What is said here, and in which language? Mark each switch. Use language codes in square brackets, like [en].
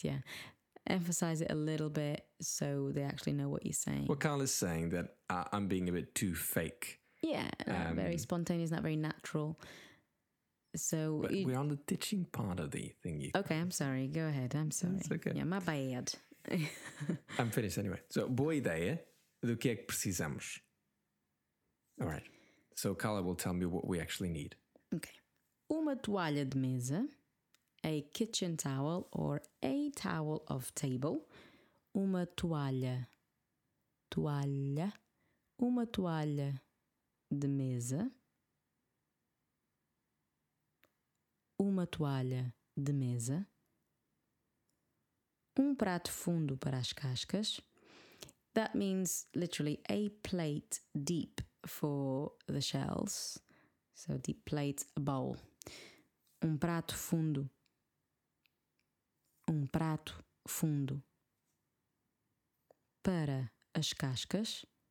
[en] Yeah, emphasize it a little bit so they actually know what you're saying. Well, Carl is saying that I'm being a bit too fake. Yeah, very spontaneous, not very natural. So we're on the teaching part of the thing. Okay, I'm sorry. Go ahead. I'm sorry. It's okay. Yeah, my bad. I'm finished anyway. [pt] So, boa ideia do que é que precisamos. [en] All right. So, Carla will tell me what we actually need. Okay. [pt] Uma toalha de mesa, [en] a kitchen towel or a towel of table, [pt] uma toalha, toalha, uma toalha de mesa, uma toalha de mesa, um prato fundo para as cascas. [en] That means literally a plate deep for the shells. So deep plate, a bowl. [pt] Um prato fundo. Um prato fundo. Para as cascas.